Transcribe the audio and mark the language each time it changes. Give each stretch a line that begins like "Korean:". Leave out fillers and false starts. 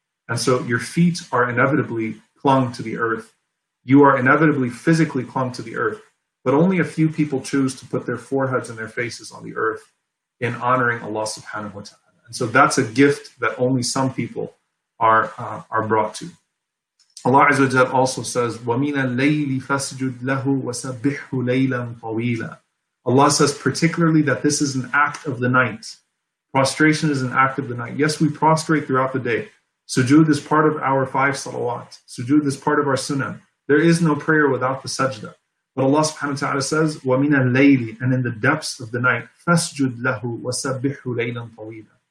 English: And so your feet are inevitably clung to the earth. You are inevitably physically clung to the earth. But only a few people choose to put their foreheads and their faces on the earth in honoring Allah subhanahu wa ta'ala. And so that's a gift that only some people are brought to. Allah Azza wa Jal also says,
Arabic: وَمِنَ اللَّيْلِ فَاسْجُدْ لَهُ وَسَبِّحْهُ لَيْلًا طَوِيلًا.
English: Allah says particularly that this is an act of the night. Prostration is an act of the night. Yes, we prostrate throughout the day. Sujood is part of our five salawat. Sujood is part of our sunnah. There is no prayer without the sajda. But Allah subhanahu wa ta'ala says,
Arabic: وَمِنَ اللَّيْلِ
English: and in the depths of the night,
Arabic: فَسْجُدْ لَهُ وَسَبِّحُ لَيْلًا طَوِيلًا.